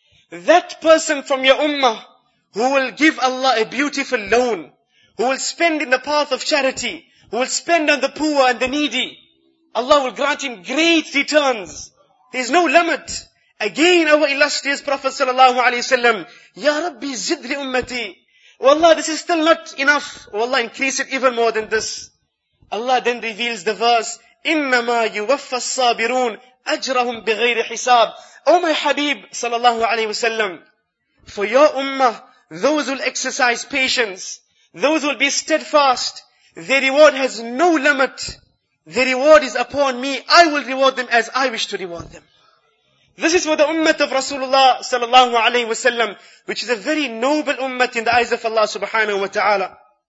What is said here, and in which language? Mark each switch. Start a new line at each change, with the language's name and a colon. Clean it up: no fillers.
English: That person from your ummah who will give Allah a beautiful loan, who will spend in the path of charity, who will spend on the poor and the needy, Allah will grant him great returns. There's no limit. Again, our illustrious Prophet sallallahu alayhi wa sallam,
Arabic: Ya Rabbi zid li ummati.
English: Oh Allah, this is still not enough. Oh Allah, increase it even more than this.
Arabic: Allah then reveals the verse, إِنَّمَا يُوَفَّى الصَّابِرُونَ أَجْرَهُمْ بِغَيْرِ حِسَابٍ.
English: Oh my Habib, sallallahu alayhi wa sallam, for your ummah, those will exercise patience, those will be steadfast, their reward has no limit, their reward is upon me, I will reward them as I wish to reward them. This is for the ummah of Rasulullah sallallahu alayhi wa sallam, which is a very noble ummah in the eyes of Allah subhanahu wa ta'ala.